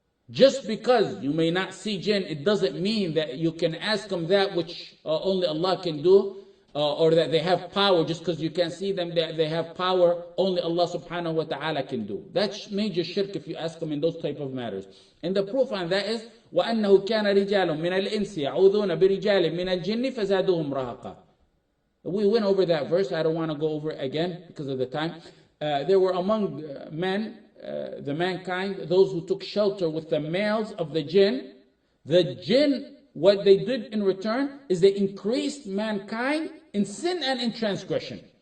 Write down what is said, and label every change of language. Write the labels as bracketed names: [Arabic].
[English] Just because you may not see jinn, it doesn't mean that you can ask them that which only Allah can do, or that they have power just because you can't see them, that they have power only Allah subhanahu wa ta'ala can do. That's major shirk if you ask them in those type of matters. And the proof on that is, [Arabic] وَأَنَّهُ كَانَ رِجَالٌ مِنَ الْإِنسِ يَعُوذُونَ بِرِجَالٍ مِنَ الْجِنِّ فَزَادُوهُمْ رَهَقًا. [English] We went over that verse. I don't want to go over it again because of the time. There were among men, the mankind, those who took shelter with the males of the jinn. The jinn, what they did in return is they increased mankind in sin and in transgression.